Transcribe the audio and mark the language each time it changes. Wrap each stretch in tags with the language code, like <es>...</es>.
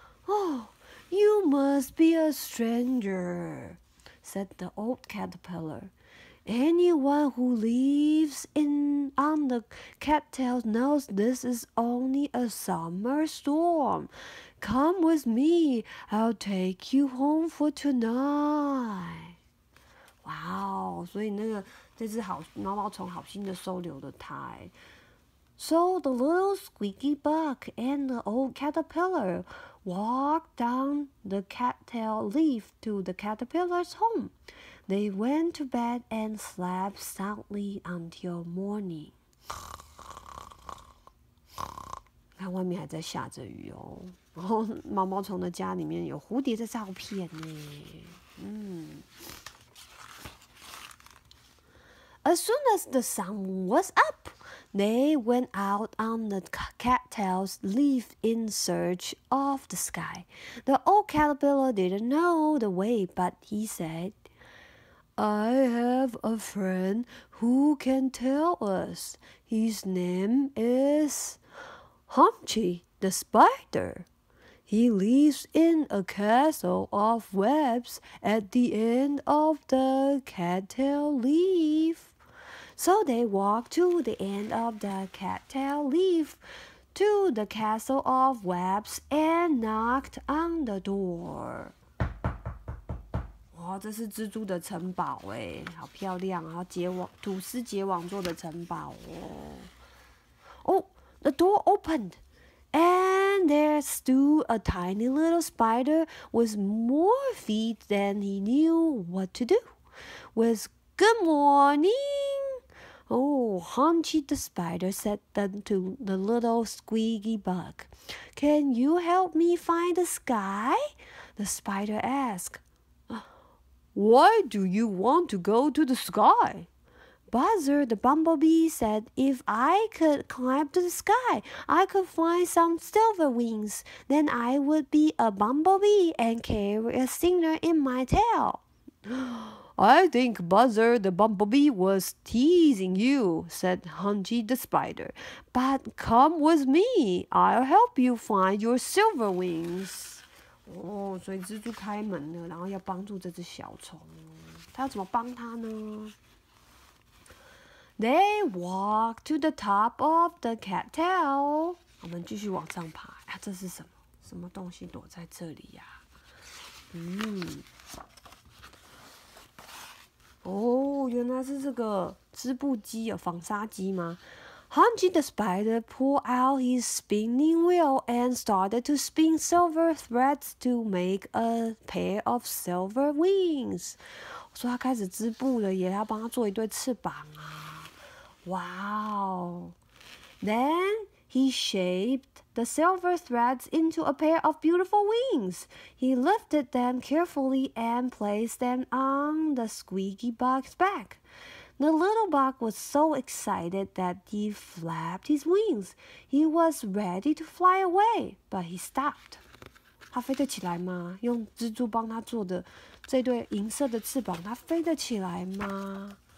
<en>Oh, you must be a stranger, said the old caterpillar. Anyone who lives on the cattails knows this is only a summer storm. Come with me, I'll take you home for tonight.</en> <zh>Wow, 所以那个这只好毛毛虫好心的收留了他。</zh> <en>So the little squeaky bug and the old caterpillar walked down the cattail leaf to the caterpillar's home. They went to bed and slept soundly until morning.</en> <zh>看外面还在下着雨哦，然后毛毛虫的家里面有蝴蝶的照片呢。</zh> <en>As soon as the sun was up, they went out on the cattail's leaf in search of the sky. The old caterpillar didn't know the way, but he said, I have a friend who can tell us. His name is Humpty the Spider. He lives in a castle of webs at the end of the cattail leaf. So they walked to the end of the cattail leaf to the castle of webs and knocked on the door.</en> <zh>哇，这是蜘蛛的城堡耶，好漂亮，然后结网，吐司结网做的城堡哦。</zh> <en>Oh, the door opened, and there stood a tiny little spider with more feet than he knew what to do. With good morning! Oh, Humpty the Spider said to the little squeaky bug, Can you help me find the sky? The spider asked, Why do you want to go to the sky? Buzzer the bumblebee said, If I could climb to the sky, I could find some silver wings. Then I would be a bumblebee and carry a stinger in my tail. I think Buzzer the Bumblebee was teasing you, said Humpty the Spider. But come with me, I'll help you find your silver wings.</en> <zh>哦，所以蜘蛛开门了，然后要帮助这只小虫。他要怎么帮他呢？</zh> <en>They walked to the top of the cattail.</en> <zh>我们继续往上爬。啊，这是什么？什么东西躲在这里呀？哦，原来是这个织布机，有纺纱机吗？</zh> <en>Humpty the spider pulled out his spinning wheel and started to spin silver threads to make a pair of silver wings.</en> <zh>所以他开始织布了，也要帮他做一对翅膀啊。</zh> <en>Wow! Then he shaped the silver threads into a pair of beautiful wings. He lifted them carefully and placed them on the squeaky bug's back. The little bug was so excited that he flapped his wings. He was ready to fly away, but he stopped.</en> <zh>他飞得起来吗？用蜘蛛帮他做的这对银色的翅膀，他飞得起来吗？</zh>